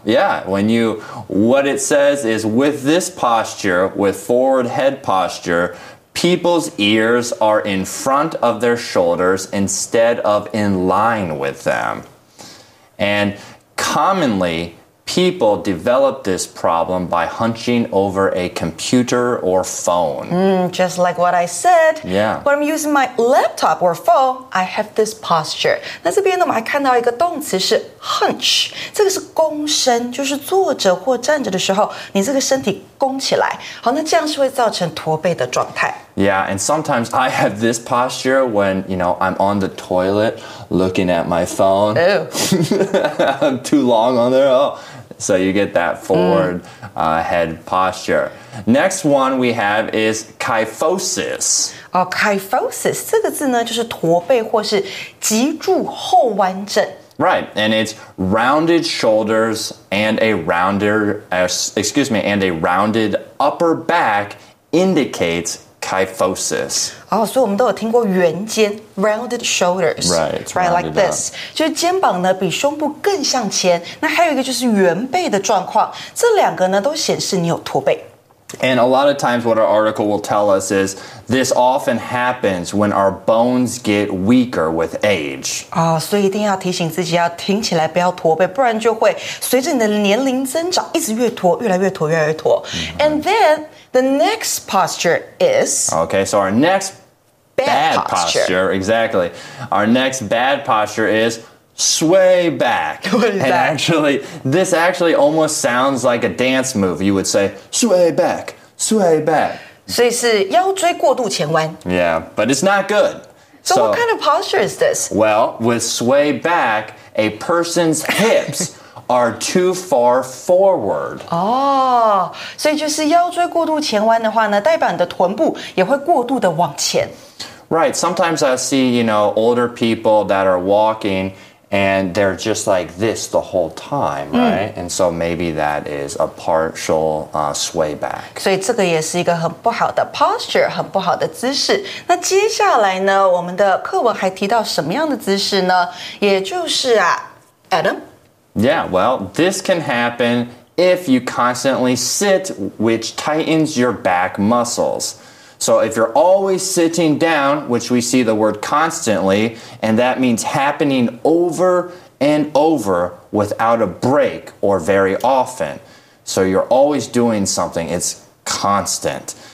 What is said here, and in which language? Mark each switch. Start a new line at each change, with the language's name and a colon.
English: What it says is with this posture, with forward head posture,people's ears are in front of their shoulders instead of in line with them. And commonly, people develop this problem by hunching over a computer or phone. Just like what I said. Yeah. When I'm using my laptop or phone, I have this posture.
Chinese: 那这边呢，我看到一个动词是 hunch， 这个是躬身，就是坐着或站着的时候，你这个身体躬起来。好，那这样是会造成驼背的状态。
English: Yeah, and sometimes I have this posture when, you know, I'm on the toilet looking at my phone. Ew. I'm too long on there. Oh, so you get that forward head posture. Next one we have is kyphosis. Oh, kyphosis.
Chinese: 这个字呢就是驼背或是脊柱后弯症。
English: Right, and it's rounded shoulders and a rounded upper back indicates kyphosis. Oh, so we've all heard of
Chinese: 圆肩
English: rounded shoulders. Right, like this.
Chinese: 就是肩膀呢比胸部更向前。那还有一个就是圆背的状况。这两个呢都显示你有驼背。
English: And a lot of times what our article will tell us is this often happens when our bones get weaker with age.
Chinese: Oh, so 一定要提醒自己要挺起来不要驼背，不然就会随着你的年龄增长一直越驼，越来越驼，越来越驼。
English: And then... The next posture is... Okay, so our next bad posture, exactly. Our next bad posture is sway back. What is and that? Actually, this actually almost sounds like a dance move. You would say, sway back, sway back.
Chinese: 所以是腰椎过度前弯。
English: Yeah, but it's not good. So what kind of posture is this? Well, with sway back, a person's hips... are too far forward.
Chinese: Oh, so 就是腰椎过度前弯的话呢，代表你的臀部也会过度的往前。
English: Right, sometimes I see, you know, older people that are walking and they're just like this the whole time, right? And so maybe that is a partial sway back.
Chinese: 所以这个也是一个很不好的 posture, 很不好的姿势。那接下来呢，我们的课文还提到什么样的姿势呢？也就是啊 Adam?
English: Yeah, well, this can happen if you constantly sit, which tightens your back muscles. So if you're always sitting down, which we see the word constantly, and that means happening over and over without a break or very often. So you're always doing something. It's constant.